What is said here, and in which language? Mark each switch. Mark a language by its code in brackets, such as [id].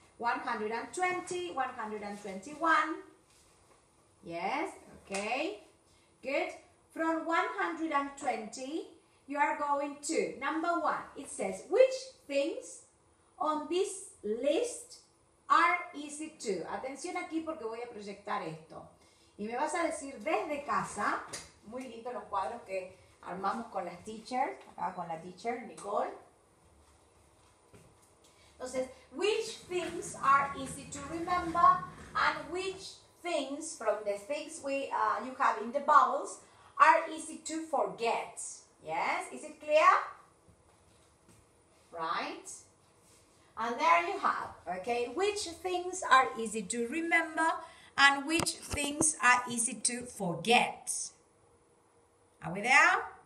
[en] 120, 121. Yes, okay. Good. From 120... you are going to, number 1, it says, which things on this list are easy to? [es] Atención aquí porque voy a proyectar esto. Y me vas a decir desde casa, muy lindo los cuadros que armamos con las teachers, acá con la teacher, Nicole. [en] Entonces, which things are easy to remember and which things from the things we you have in the bubbles are easy to forget? Yes, is it clear? Right. And there you have, okay, which things are easy to remember and which things are easy to forget. Are we there?